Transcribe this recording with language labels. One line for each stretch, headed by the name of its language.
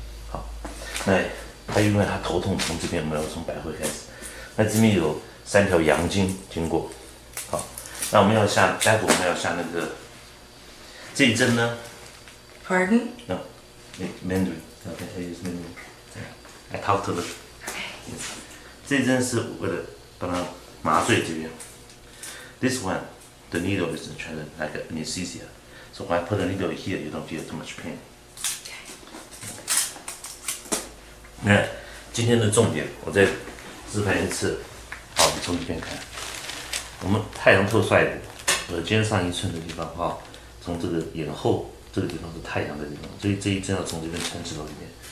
Chinese: 好，那他因为他头痛，从这边没有从百会开始，那这边有三条阳经经过，好，那我们要下，待会我们要下那个这一针呢
English: ？Pardon？ No， Mandarin。 Okay， I use Mandarin。 I talk to the。 Okay。
Chinese: 这一针是为了把它麻醉这边。
English: This one， the needle is treated like anesthesia， so when I put the needle here， you don't feel too much pain。
Chinese: 那今天的重点，我再示范一次。好，从这边看，我们太阳透出来的耳尖上一寸的地方，哈，从这个眼后这个地方是太阳的地方，所以这一针要从这边穿刺到这边。